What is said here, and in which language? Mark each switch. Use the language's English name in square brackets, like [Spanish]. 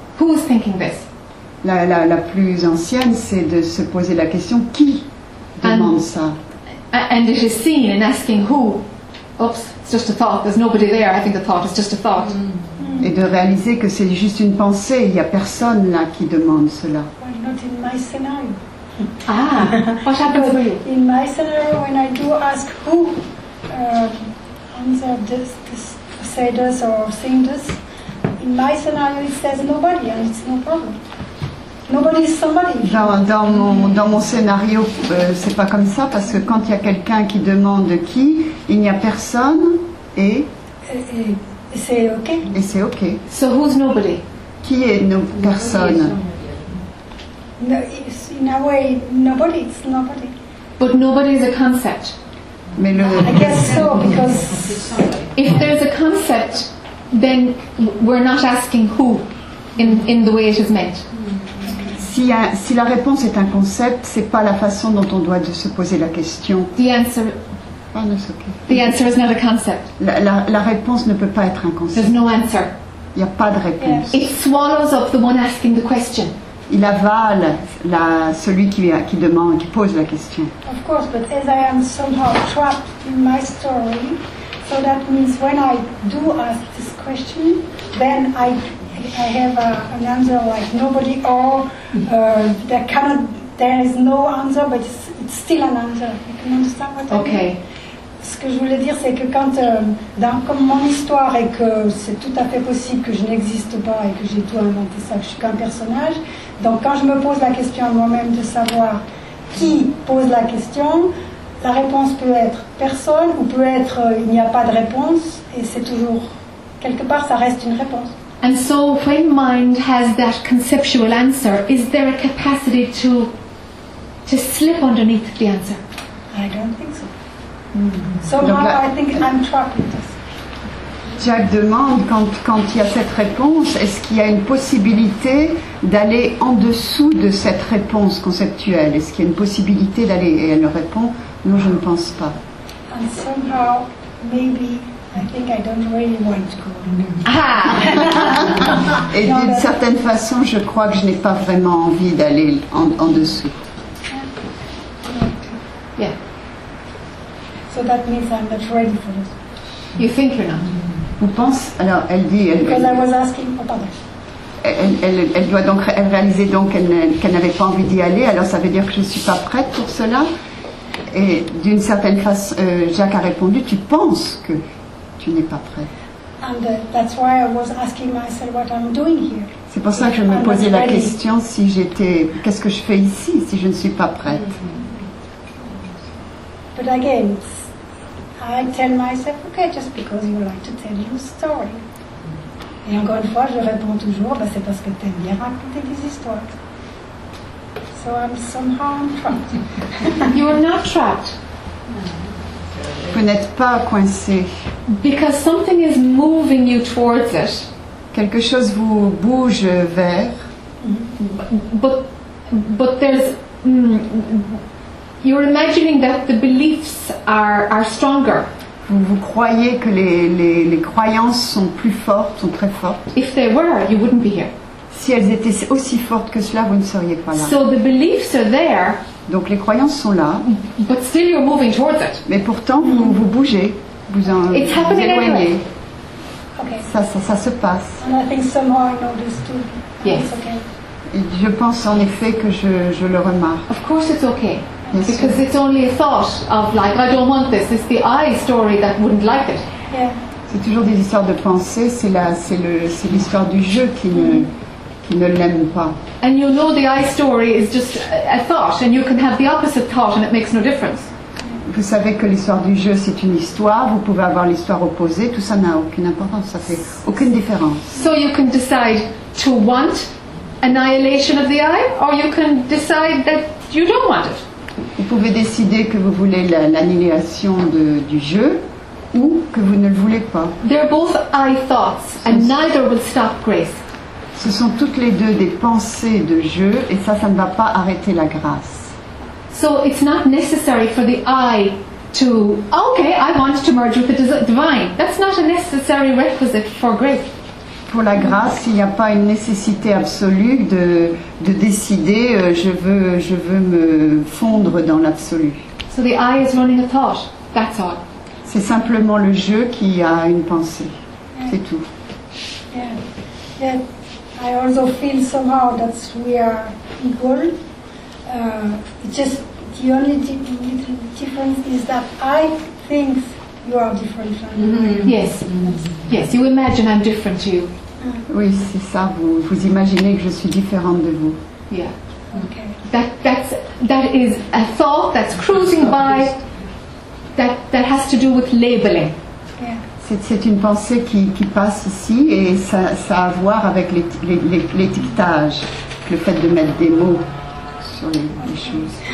[English] Who is thinking this? [French] La plus ancienne, c'est de se poser la question qui demande ça. [English] And it is seen in asking who. Oops, it's just a thought. There's nobody there. I think the thought is just a thought. Mm. [French] Et de réaliser que c'est juste une pensée. Il y a personne là qui demande cela. [English] Well, not in my scenario. Ah, what happens to you? In my scenario, when I do ask who answered this, said this, or seen this. In my scenario, it says nobody, and it's no problem. Nobody is somebody. [French] Dans mon scénario, c'est pas comme ça, parce que quand il y a quelqu'un qui demande qui, il n'y a personne, et c'est ok. Et c'est ok. [English] So who's nobody? [French] Qui est no personne? [English] No, in a way, nobody. It's nobody. But nobody is a concept. [French] Mais le. [English] I guess so, because if there's a concept, then we're not asking who in the way it is meant. [French] Si la réponse est un concept, c'est pas la façon dont on doit de se poser la question. [English] The answer is not a concept. [French] La réponse ne peut pas être un concept. [English] There's no answer. [French] Il y a pas de réponse. [English] Yeah. It swallows up the one asking the question. [French] Il avale celui qui demande, qui pose la question. [English] Of course, but as I am somehow trapped in my story, so that means when I do ask this question, question, then I have an answer like nobody or there cannot, there is no answer, but it's still an answer. You can understand what okay. I mean? [French] Ce que je voulais dire, c'est que quand dans comme mon histoire et que c'est tout à fait possible que je n'existe pas et que j'ai tout inventé ça, que je suis qu'un personnage, donc quand je me pose la question à moi-même de savoir qui pose la question, la réponse peut être personne ou peut être il n'y a pas de réponse et c'est toujours quelque part ça reste une réponse. [English] And so when mind has that conceptual answer, is there a capacity to slip underneath the answer? I don't think so. Mm-hmm. So now I think I'm trapped with this. [French] Jack demande quand il y a cette réponse, est-ce qu'il y a une possibilité d'aller en dessous de cette réponse conceptuelle? Est-ce qu'il y a une possibilité d'aller? Et elle répond, non, je ne pense pas. [English] And somehow, maybe, I think I don't really want to go. [French] Ah! Et d'une certaine façon, je crois que je n'ai pas vraiment envie d'aller en dessous. [English] Yeah. So that means I'm not ready for this. You think you're not? [French] Vous pensez, alors elle dit, elle réalisait donc qu'elle n'avait pas envie d'y aller, alors ça veut dire que je ne suis pas prête pour cela. Et d'une certaine façon, Jacques a répondu, tu penses que tu n'es pas prête. [English] And that's why I was asking myself what I'm doing here. [French] C'est pour ça que je me posais la question si j'étais, qu'est-ce que je fais ici si je ne suis pas prête. Mm-hmm. [English] But again, I tell myself, okay, just because you like to tell your story. [French] Et encore une fois, je réponds toujours, bah, c'est parce que tu aimes bien raconter des histoires. [English] So I'm somehow trapped. You are not trapped. [French] No. Vous n'êtes pas coincé. [English] Because something is moving you towards it. [French] Quelque chose vous bouge vers. [English] But there's... you're imagining that the beliefs are stronger. [French] Vous croyez que les croyances sont plus fortes, sont très fortes. [English] If they were, you wouldn't be here. [French] Si elles étaient aussi fortes que cela, vous ne seriez pas là. [English] So the beliefs are there. [French] Donc les croyances sont là. [English] But still you're moving towards it. [French] Mais pourtant vous bougez, vous en [English] it's happening [French] vous éloignez. [English] Anyway. Okay. [French] Ça se passe. [English] And I think somehow I know this too. Yes. Okay. [French] Je pense en effet que je le remarque. [English] Of course it's okay. Yes, because sir. It's only a thought of like I don't want this. It's the I story that wouldn't like it. Yeah. [French] C'est toujours des histoires de pensée. C'est l'histoire du jeu qui ne l'aime pas. [English] And you know the I story is just a thought, and you can have the opposite thought, and it makes no difference. [French] Vous savez que l'histoire du jeu c'est une histoire. Vous pouvez avoir l'histoire opposée. Tout ça n'a aucune importance. Ça fait aucune différence. [English] So you can decide to want annihilation of the I, or you can decide that you don't want it. [French] Vous pouvez décider que vous voulez l'annihilation du jeu ou que vous ne le voulez pas. [English] They're both I thoughts, and neither will stop grace. [French] Ce sont toutes les deux des pensées de jeu et ça ne va pas arrêter la grâce. [English] So it's not necessary for the I to okay, I want to merge with the divine. That's not a necessary requisite for grace. [French] Pour la grâce, il n'y a pas une nécessité absolue de décider je veux me fondre dans l'absolu. [English] So the I is running a thought. That's all. [French] C'est simplement le jeu qui a une pensée. Yeah. C'est tout. [English] Yeah. Yeah. I also feel somehow that we are equal. The only difference is that I think you are different from me. Mm-hmm. Yes. Mm-hmm. Yes, you imagine I'm different to you. [French] Oui, c'est ça. Vous imaginez que je suis différente de vous. [English] Yeah. Okay. That is a thought that's cruising by. That has to do with labeling. Yeah. [French] C'est une pensée qui passe ici et ça a à voir avec l'étiquetage, le fait de mettre des mots sur les choses.